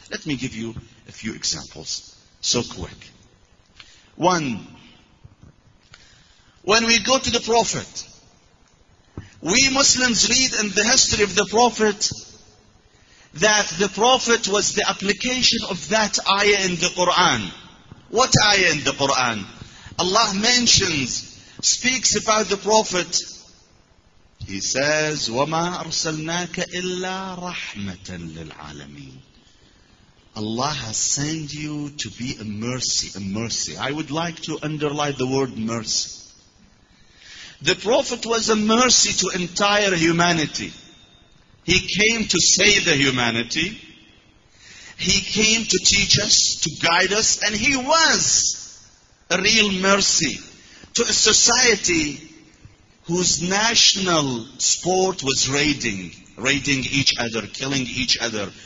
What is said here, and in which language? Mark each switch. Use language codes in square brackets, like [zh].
[en] Let me give you a few examples so quick. One, when we go to the Prophet, we Muslims read in the history of the Prophet that the Prophet was the application of that ayah in the Quran. What ayah in the Quran? Allah mentions, speaks about the Prophet, He says, [ar] وَمَا أَرْسَلْنَاكَ إِلَّا رَحْمَةً لِلْعَالَمِينَ. [en] Allah has sent you to be a mercy, a mercy. I would like to underline the word mercy. The Prophet was a mercy to entire humanity. He came to save the humanity. He came to teach us, to guide us, and He was a real mercy to a society whose national sport was raiding each other, killing each other.